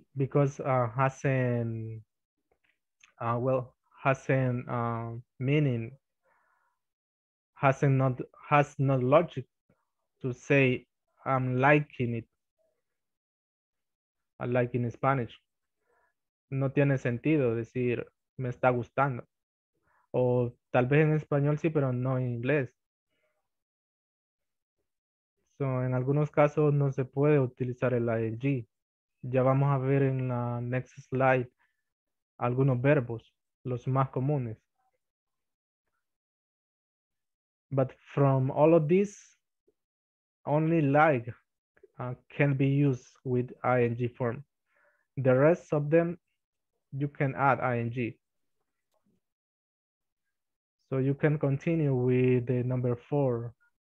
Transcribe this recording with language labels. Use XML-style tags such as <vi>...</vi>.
<en>Because hasn't, well, hasn't meaning, hasn't not, has no logic to say I'm liking it, I like in Spanish.</en> <es>No tiene sentido decir me está gustando. O tal vez en español sí, pero no en inglés. So, en algunos casos no se puede utilizar el ing. Ya vamos a ver en la</es> <en>next slide</en> <es>algunos verbos, los más comunes.</es> <en>But from all of this, only like can be used with ing form. The rest of them, you can add ing. So you can continue with the number four.</en>